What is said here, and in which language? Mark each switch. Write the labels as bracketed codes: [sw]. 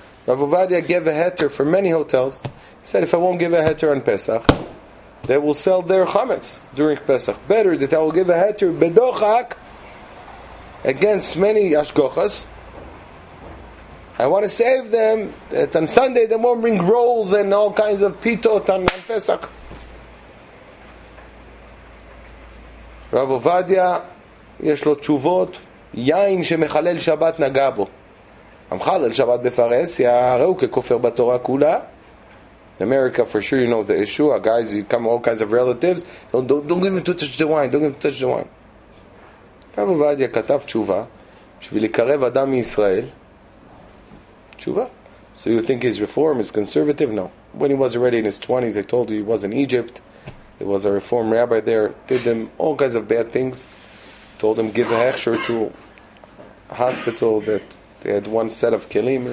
[en] Rav Avadia gave a heter for many hotels. He said, if I won't give a heter on Pesach, they will sell their chametz during Pesach. Better that I will give a heter bedochak against many Ashgochas. I want to save them that on Sunday they won't bring rolls and all kinds of pitot on Pesach. [he] Rav Avadia, יש לו תשובות, יין שמחלל שבת נגע בו. המחלל שבת בפרסיה, הרי הוא ככופר בתורה כולה. [en] In America, for sure, you know the issue. Our guys, you come all kinds of relatives. Don't give him to touch the wine. Don't give him to touch the wine. [he] Rav Avadia כתב תשובה בשביל לקרב אדם מישראל. תשובה. [en] So you think his reform is conservative? No. When he was already in his 20s, I told you he was in Egypt. There was a reform rabbi there. Did them all kinds of bad things. Told him give a hechsher to a hospital that they had one set of kelim.